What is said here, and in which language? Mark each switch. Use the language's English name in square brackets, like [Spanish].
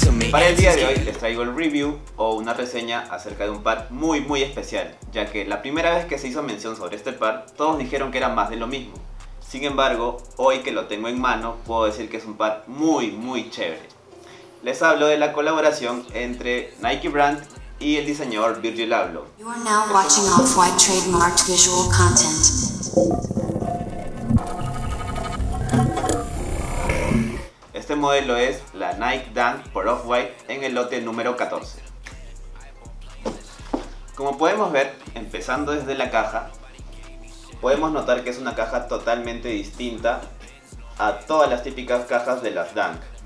[Spanish] Para el día de hoy les traigo el review o una reseña acerca de un par muy muy especial, ya que la primera vez que se hizo mención sobre este par, todos dijeron que era más de lo mismo. Sin embargo, hoy que lo tengo en mano, puedo decir que es un par muy muy chévere. Les hablo de la colaboración entre Nike Brand y el diseñador Virgil Abloh. [English] You are now watching Off-White trademarked visual content. [Spanish] Este modelo es la Nike Dunk por Off-White en el lote número 14. Como podemos ver, empezando desde la caja, podemos notar que es una caja totalmente distinta a todas las típicas cajas de las Dunk.